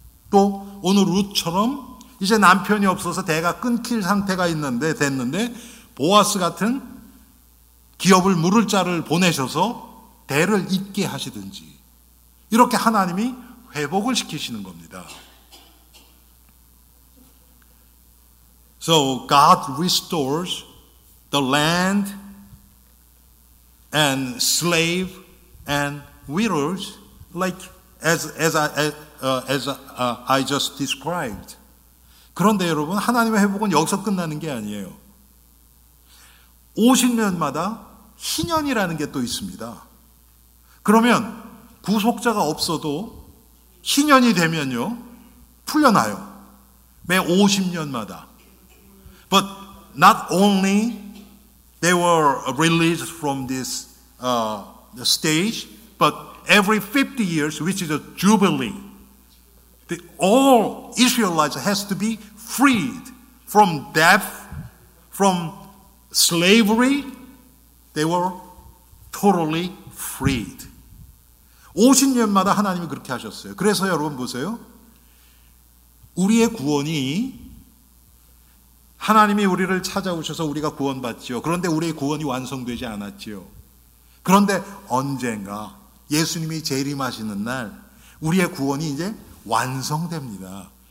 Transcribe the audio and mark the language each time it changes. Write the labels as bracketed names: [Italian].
[Korean] 또 오늘 룻처럼 이제 남편이 없어서 대가 끊길 상태가 있는데 됐는데 보아스 같은 기업을 물을 자를 보내셔서 대를 잇게 하시든지 이렇게 하나님이 회복을 시키시는 겁니다. [English] So God restores the land and slave and widows, like as I just described. [Korean] 그런데 여러분, 하나님의 회복은 여기서 끝나는 게 아니에요. 50년마다 희년이라는 게 또 있습니다. 그러면 구속자가 없어도 희년이 되면요, 풀려나요. 매 50년마다. [English] But not only they were released from this stage, but every 50 years, which is a jubilee, all Israelites has to be freed from death, from slavery. They were totally freed. [Korean] 50년마다 하나님이 그렇게 하셨어요. 그래서 여러분 보세요. 우리의 구원이 하나님이 우리를 찾아오셔서 우리가 구원받지요. 그런데 우리의 구원이 완성되지 않았지요. 그런데 언젠가 예수님이 재림하시는 날 우리의 구원이 이제 완성됩니다.